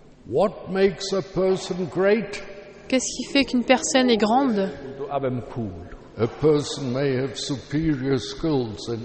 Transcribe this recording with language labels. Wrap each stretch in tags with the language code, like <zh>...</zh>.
<en>What makes a person great?</en> <fr>Qu'est-ce qui fait qu'une personne est grande?</fr> <en>A person may have superior skills.</en>